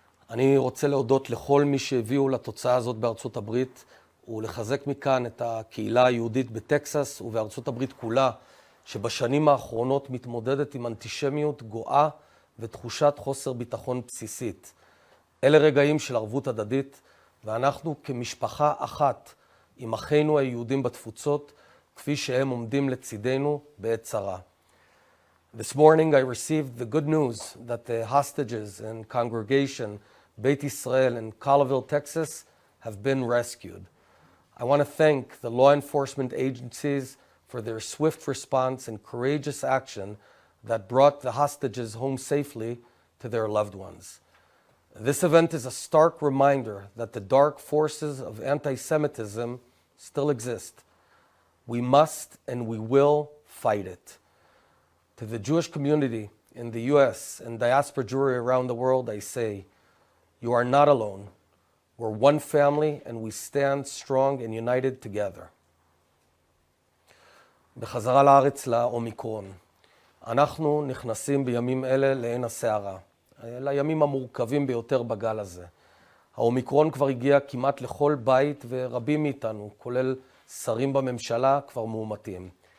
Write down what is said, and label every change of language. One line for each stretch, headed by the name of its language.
Hebrew: אני רוצה להודות לכל מי שהביאו לתוצאה הזאת בארצות הברית ולחזק מכאן את הקהילה היהודית בטקסס ובארצות הברית כולה שבשנים האחרונות מתמודדת עם אנטישמיות גואה ותחושת חוסר ביטחון בסיסית. אלה רגעים של ערבות הדדית, ואנחנו כמשפחה אחת עם אחינו היהודים בתפוצות, כפי שהם עומדים לצידנו בעת צרה.
English: This morning I received the good news that the hostages and congregation Beit Israel in Colville, Texas have been rescued. I want to thank the law enforcement agencies for their swift response and courageous action that brought the hostages home safely to their loved ones. This event is a stark reminder that the dark forces of anti-Semitism still exist. We must and we will fight it. To the Jewish community in the U.S. and diaspora Jewry around the world, I say, you are not alone. We're one family and we stand strong and united together.
Hebrew: בחזרה לארץ לאומיקרון. אנחנו נכנסים בימים אלה לעין הסערה, לימים המורכבים ביותר בגל הזה. האומיקרון כבר הגיע כמעט לכל בית ורבים מאיתנו, כולל שרים בממשלה, כבר מאומתים.